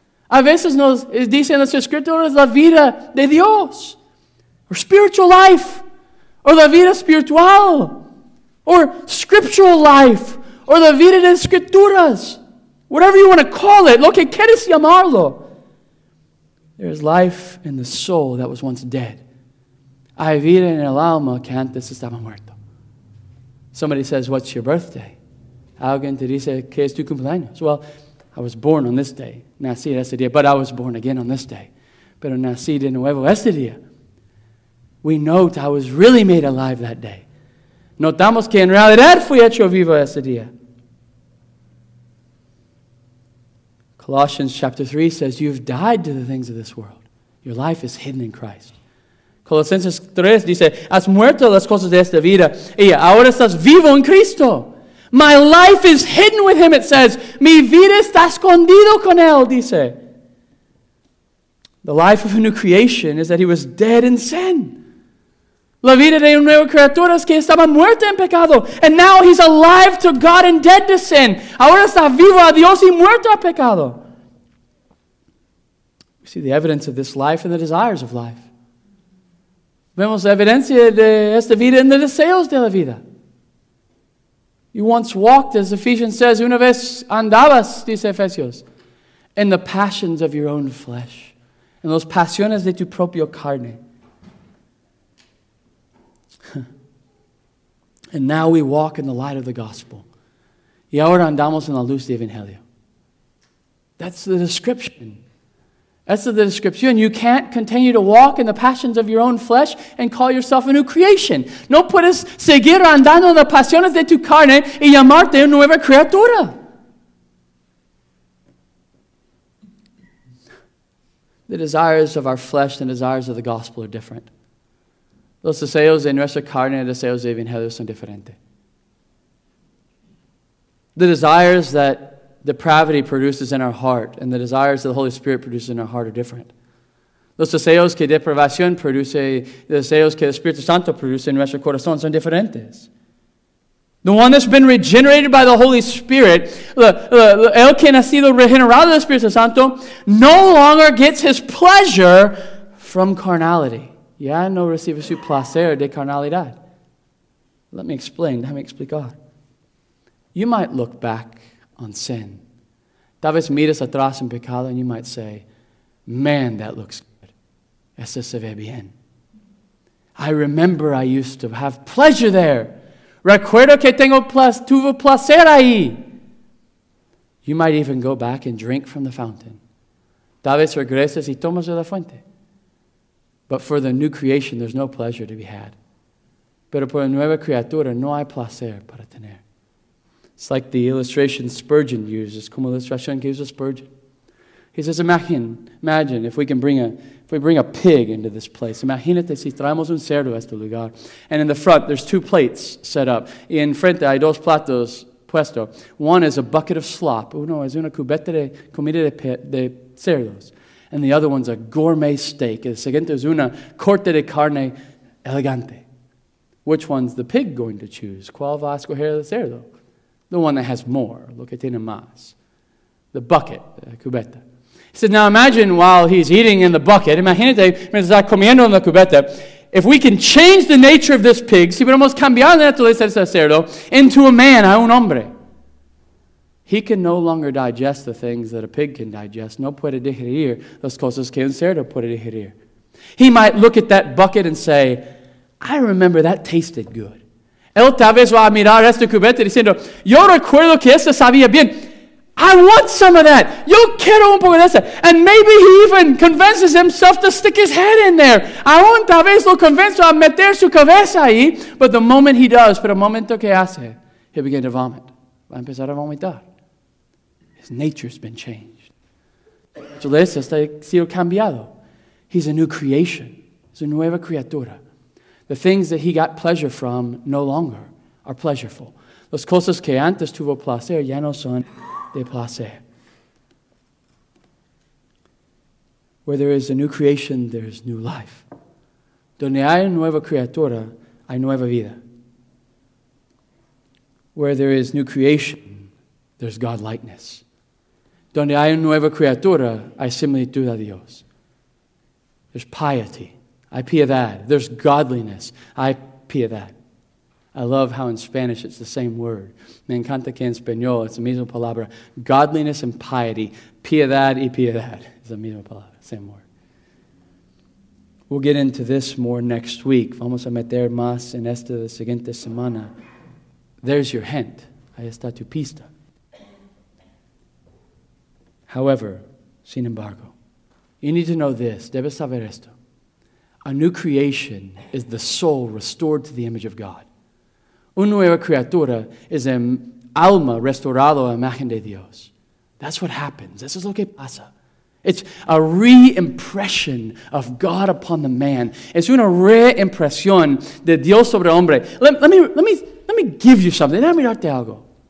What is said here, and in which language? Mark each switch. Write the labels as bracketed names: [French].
[Spanish] A veces nos dicen las escrituras la vida de Dios. [English] Or spiritual life. Or [Spanish] la vida espiritual. [English] Or scriptural life. Or [Spanish] la vida de escrituras. [English] Whatever you want to call it. [Spanish] Lo que quieres llamarlo. [English] There is life in the soul that was once dead. [Spanish] Hay vida en el alma que antes estaba muerto. [English] Somebody says, what's your birthday? [Spanish] Alguien te dice, ¿qué es tu cumpleaños? [English] Well, I was born on this day. [Spanish] Nací en ese día. [English] But I was born again on this day. [Spanish] Pero nací de nuevo ese día. [English] We note I was really made alive that day. [Spanish] Notamos que en realidad fui hecho vivo ese día. [English] Colossians chapter 3 says, you've died to the things of this world. Your life is hidden in Christ. [Spanish] Colossians 3 dice, has muerto las cosas de esta vida. Y ahora estás vivo en Cristo. [English] My life is hidden with him, it says. [Spanish] Mi vida está escondido con él, dice. [English] The life of a new creation is that he was dead in sin. [Spanish] La vida de un nuevo criatura es que estaba muerta en pecado. [English] And now he's alive to God and dead to sin. [Spanish] Ahora está vivo a Dios y muerto a pecado. [English] We see the evidence of this life and the desires of life. [Spanish] Vemos la evidencia de esta vida en los deseos de la vida. [English] You once walked, as Ephesians says, [Spanish] una vez andabas, dice Efesios, [English] in the passions of your own flesh, [Spanish] en las pasiones de tu propio carne. [English] And now we walk in the light of the gospel. [Spanish] Y ahora andamos en la luz de Evangelio. [English] That's the description. That's the description. You can't continue to walk in the passions of your own flesh and call yourself a new creation. [Spanish] No puedes seguir andando en las pasiones de tu carne y llamarte una nueva criatura. [English] The desires of our flesh and the desires of the gospel are different. [Spanish] Los deseos de nuestra carne y deseos de Evangelio son diferentes. [English] The desires that depravity produces in our heart and the desires that the Holy Spirit produces in our heart are different. [Spanish] Los deseos que depravación produce, los deseos que el Espíritu Santo produce en nuestro corazón son diferentes. [English] The one that's been regenerated by the Holy Spirit, [Spanish] el que ha sido regenerado del Espíritu Santo, [English] no longer gets his pleasure from carnality. [Spanish] Ya no recibe su placer de carnalidad. [English] Let me explain. Let me explain God. You might look back on sin. [Spanish] Tal vez miras atrás en pecado [English] and you might say, man, that looks good. [Spanish] Eso se ve bien. [English] I remember I used to have pleasure there. [Spanish] Recuerdo que tuve placer ahí. [English] You might even go back and drink from the fountain. [Spanish] Tal vez regreses y tomas de la fuente. [English] But for the new creation, there's no pleasure to be had. [Spanish] Pero por la nueva criatura, no hay placer para tener. [English] It's like the illustration Spurgeon uses, [Spanish] como la ilustración que usa Spurgeon. [English] He says, imagine if we can bring a pig into this place. [Spanish] Imagínate si traemos un cerdo a este lugar. [English] And in the front, there's two plates set up. [Spanish] Y en frente hay dos platos puesto. [English] One is a bucket of slop. [Spanish] Uno es una cubeta de comida de cerdos. [English] And the other one's a gourmet steak. [Spanish] El siguiente es una corte de carne elegante. [English] Which one's the pig going to choose? [Spanish] ¿Cuál va a escoger el cerdo? [English] The one that has more. [Spanish] Lo que tiene más. [English] The bucket, [Spanish] la cubeta. [English] He said, now imagine while he's eating in the bucket, [Spanish] imagínate, mientras está comiendo en la cubeta, [English] if we can change the nature of this pig, [Spanish] si podemos cambiar la naturaleza de ese cerdo, [English] into a man, [Spanish] a un hombre. [English] He can no longer digest the things that a pig can digest. [Spanish] No puede digerir las cosas que un cerdo puede digerir. [English] He might look at that bucket and say, I remember that tasted good. [Spanish] Él tal vez va a mirar esta cubeta diciendo, yo recuerdo que esta sabía bien. [English] I want some of that. [Spanish] Yo quiero un poco de eso. [English] And maybe he even convinces himself to stick his head in there. [Spanish] Aún tal vez lo convenzo a meter su cabeza ahí. [English] But the moment he does, [Spanish] pero momento que hace, [English] he'll begin to vomit. [Spanish] Va a empezar a vomitar. [English] His nature's been changed. [Spanish] Su naturaleza está siendo cambiado. [English] He's a new creation. He's a [Spanish] nueva criatura. [English] The things that he got pleasure from no longer are pleasureful. [Spanish] Las cosas que antes tuvo placer ya no son de placer. [English] Where there is a new creation, there is new life. [Spanish] Donde hay nueva criatura, hay nueva vida. [English] Where there is new creation, there's God-likeness. [Spanish] Donde hay nueva criatura, hay similitud a Dios. [English] There's piety. I pia that. There's godliness. I pia that. I love how in Spanish it's the same word. [Spanish] Me encanta que en español es la misma palabra. [English] Godliness and piety. [Spanish] Piedad y piedad. Es la misma palabra. [English] Same word. We'll get into this more next week. [Spanish] Vamos a meter más en esta la siguiente semana. [English] There's your hint. [Spanish] Ahí está tu pista. [English] However, [Spanish] sin embargo, [English] you need to know this. [Spanish] Debes saber esto. [English] A new creation is the soul restored to the image of God. [Spanish] Una nueva criatura es el alma restaurado a imagen de Dios. [English] That's what happens. [Spanish] Eso es lo que pasa. [English] It's a re-impression of God upon the man. [Spanish] Es una re-impresión de Dios sobre hombre. [English] Let me give you something. Let me [Spanish] darte algo.